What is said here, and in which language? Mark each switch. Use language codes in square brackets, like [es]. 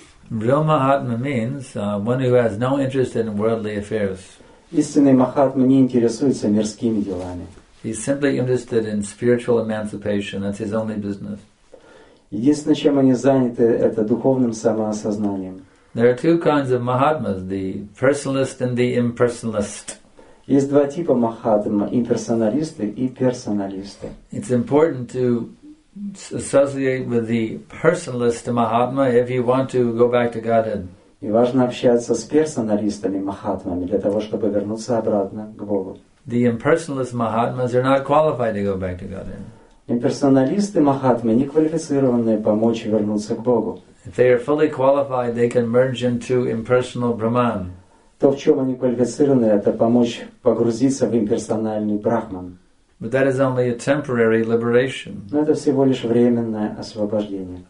[en] Real Mahatma means one who has no interest in worldly affairs. [ru] Истинный Махатма не интересуется мирскими делами. [en] He's simply interested in spiritual emancipation. That's his only business. [ru] Единственное, чем они заняты, это духовным самоосознанием. [en] There are two kinds of Mahatmas, the personalist and the impersonalist. [ru] Есть два типа Махатма, имперсоналисты и персоналисты. [en] It's important to associate with the personalist Mahatma if you want to go back to Godhead. [ru] И важно общаться с персоналистами Махатмами для того, чтобы вернуться обратно к Богу. [en] The impersonalist Mahatmas are not qualified to go back to Godhead. [ru] Имперсоналисты Махатмы не квалифицированные помочь вернуться к Богу. [en] If they are fully qualified, they can merge into impersonal Brahman. [ru] То, в чем они квалифицированы, это помочь погрузиться в имперсональный Брахман. [en] But that is only a temporary liberation. [ru] Но это всего лишь временное освобождение.